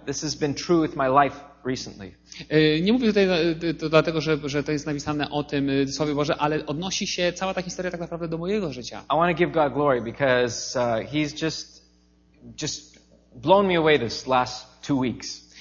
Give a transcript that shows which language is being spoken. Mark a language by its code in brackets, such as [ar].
[en] This has been true with my life recently. [pl] Nie mówię tutaj to dlatego, że to jest napisane o tym Słowie Boże, ale odnosi się cała ta historia tak naprawdę do mojego życia. [en] I want to give God glory because he's just blown me away this last two weeks.